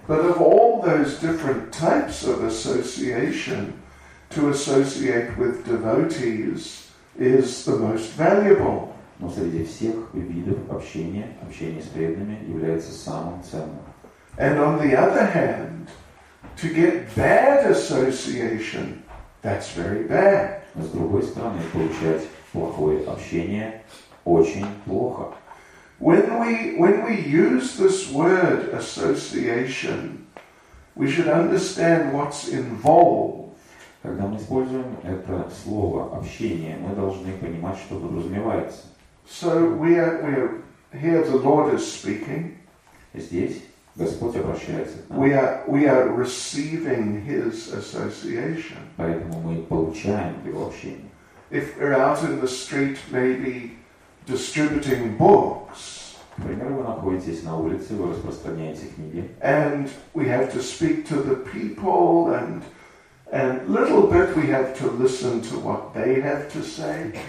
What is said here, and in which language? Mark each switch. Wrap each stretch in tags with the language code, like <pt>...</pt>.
<en>But of all those different types of association, to associate with devotees is the most valuable.</en> <ru>Но среди всех видов общения, общение с преданными является самым ценным.</ru> <en>And on the other hand, to get bad association, that's very bad.</en> <ru>С другой стороны, получать плохое общение очень плохо.</ru> <en>When we use this word association, we should understand what's involved.</en> <ru>Когда мы используем это слово общение, мы должны понимать, что подразумевается.</ru> <en>So we are here the Lord is speaking.</en> <ru>Здесь Господь обращается к нам.</ru> <en>We are receiving His association.</en> <ru>Поэтому мы получаем Его общение.</ru> <en>If we're out in the street, maybe distributing books.</en> <ru>Например, вы находитесь на улице, вы распространяете книги.</ru> <en>And we have to speak to the people, and little bit we have to listen to what they have to say.</en>